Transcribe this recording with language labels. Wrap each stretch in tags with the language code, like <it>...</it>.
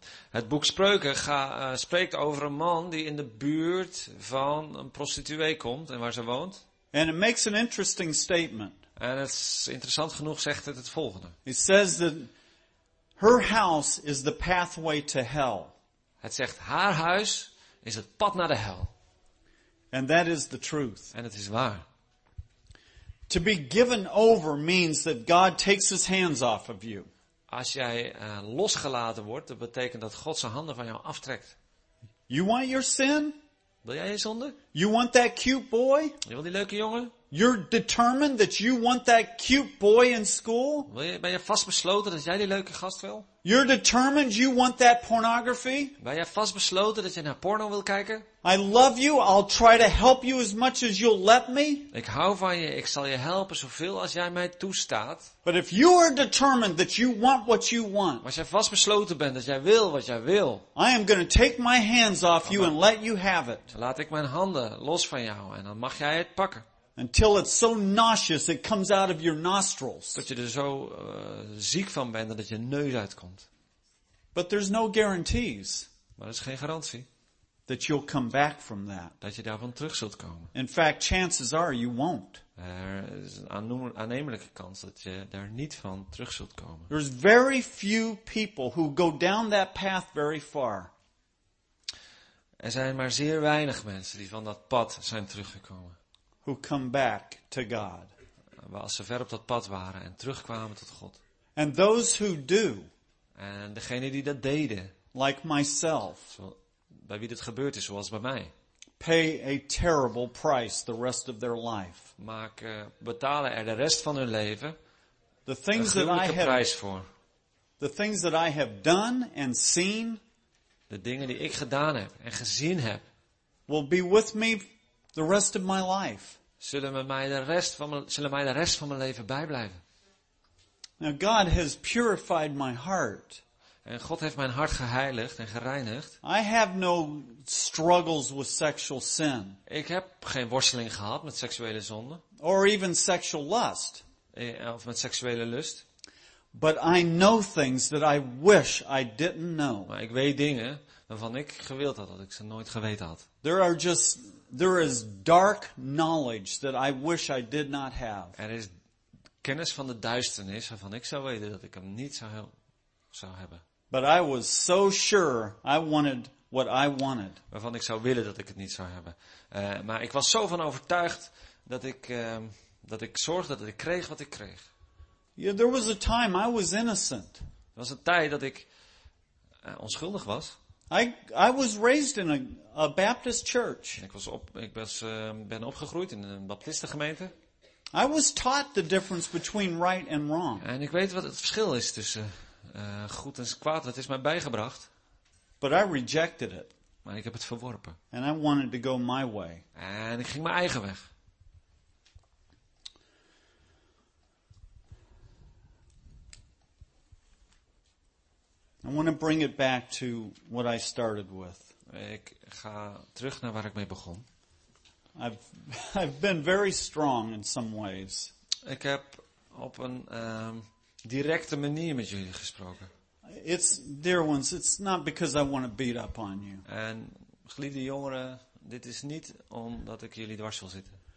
<nl>Het boek Spreuken spreekt over een man die in de buurt van een prostituee komt en waar ze woont.</nl> <en>And it makes an interesting statement.</en> <nl>En het is interessant genoeg zegt het volgende.</nl> <en>It says that her house is the pathway to hell.</en> <nl>Het zegt haar huis is het pad naar de hel.</nl> <en>And that is the truth.</en> <nl>En het is waar.</nl> <en>To be given over means that God takes his hands off of you.</en> <nl>Als jij losgelaten wordt, dat betekent dat God zijn handen van jou aftrekt.</nl> <en>You want your sin?</en> <nl>Wil jij je zonde?</nl> <en>You want that cute boy?</en> <nl>Je wil die leuke jongen?</nl> <en>You're determined that you want that cute boy in school?</en> <nl>Ben je vastbesloten dat jij die leuke gast wil?</nl> <en>You're determined you want that pornography?</en> <nl>Ben jij vastbesloten dat je naar porno wil kijken?</nl> <en>I love you. I'll try to help you as much as you'll let me.</en> <nl>Ik hou van je. Ik zal je helpen zoveel als jij mij toestaat.</nl> <en>But if you are determined that you want what you want,</en> <nl>als jij vastbesloten bent dat jij wil wat jij wil,</nl> <en>I am going to take my hands off you and let you have it.</en> <nl>Laat ik mijn handen los van jou en dan mag jij het pakken.</nl> <en>Until it's so nauseous it comes out of your nostrils.</en> <nl>Dat je er zo ziek van bent dat je neus uitkomt.</nl> <en>But there's no guarantees.</en> <nl>Maar er is geen garantie.</nl> <en>That you'll come back from that.</en> <nl>Dat je daarvan terug zult komen.</nl> <en>In fact, chances are you won't.</en> <nl>Er is een aannemelijke kans dat je daar niet van terug zult komen.</nl> <en>There's very few people who go down that path very far.</en> <nl>Er zijn maar zeer weinig mensen die van dat pad zijn teruggekomen.</nl> <en>Who come back to God.</en> <nl>Als ze ver op dat pad waren en terugkwamen tot God.</nl> <en>And those who do.</en> <nl>En degene die dat deden.</nl> <en>Like myself.</en> <nl>Bij wie dit gebeurd is, zoals bij mij.</nl> <en>Pay a terrible price the rest of their life.</en> <nl>Betalen er de rest van hun leven.</nl> <en>The things</en> <nl>een gruwelijke</nl> <en>that I</en> <nl>prijs</nl> <en>have,</en> <nl>voor.</nl> <en>The things that I have done and seen.</en> <nl>De dingen die ik gedaan heb en gezien heb.</nl> <en>Will be with me the rest of my life.</en> <nl>Zullen mij de rest van mijn leven bijblijven.</nl> <en>Now God has purified my heart.</en> <nl>En God heeft mijn hart geheiligd en gereinigd.</nl> <en>I have no struggles with sexual sin.</en> <nl>Ik heb geen worsteling gehad met seksuele zonde.</nl> <en>Or even sexual lust.</en> <nl>Of met seksuele lust.</nl> <en>But I know things that I wish I didn't know.</en> <nl>Maar ik weet dingen waarvan ik gewild had dat ik ze nooit geweten had.</nl> <en>There is dark knowledge that I wish I did not have.</en> <nl>Er is kennis van de duisternis waarvan ik zou weten dat ik hem niet zou hebben.</nl> <en>But I was so sure I wanted what I wanted.</en> <nl>Waarvan ik zou willen dat ik het niet zou hebben. Maar ik was zo van overtuigd dat ik zorgde dat ik kreeg wat ik kreeg.</nl> <en>Yeah, there was a time I was innocent.</en> <nl>Er was een tijd dat ik onschuldig was.</nl> <en>I was raised in a Baptist church.</en> <nl>Ik ben opgegroeid in een baptistengemeente.</nl> <en>I was taught the difference between right and wrong.</en> <nl>En ik weet wat het verschil is tussen goed en kwaad. Dat is mij bijgebracht.</nl> <en>But I rejected it.</en> <nl>Maar ik heb het verworpen.</nl> <en>And I wanted to go my way.</en> <nl>En ik ging mijn eigen weg.</nl> <en>I want to bring it back to what I started with.</en> <nl>Ik ga terug naar waar ik mee begon.</nl> <en>I've been very strong in some ways.</en> <nl>Ik heb op een directe manier met jullie gesproken.</nl> <en>It's, dear ones, it's not because I want to beat up on you.</en> <nl>En geliefde jongeren, dit is niet omdat ik jullie dwars wil zitten.</nl>